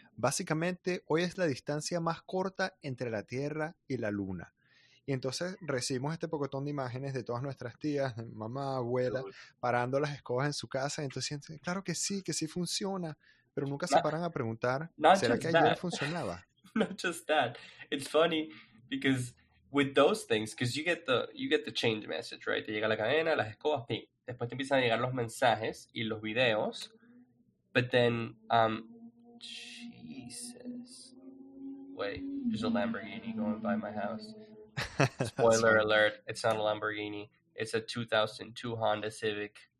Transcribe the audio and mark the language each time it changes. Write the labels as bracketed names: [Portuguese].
[Spanish] Básicamente, hoy es la distancia más corta entre la Tierra y la Luna. Y entonces recibimos este pocotón de imágenes de todas nuestras tías, mamá, abuela, parando las escobas en su casa. Y entonces, claro que sí funciona. Pero nunca se paran a preguntar, ¿será que ayer funcionaba? [English] Not just that. It's funny because with those things, because you get the change message, right? [Spanish] Te llega la cadena, las escobas, ping. Después te empiezan a llegar los mensajes y los videos. [English] But then, Jesus. Wait, there's a Lamborghini going by my house. Spoiler alert, it's not a Lamborghini. It's a 2002 Honda Civic.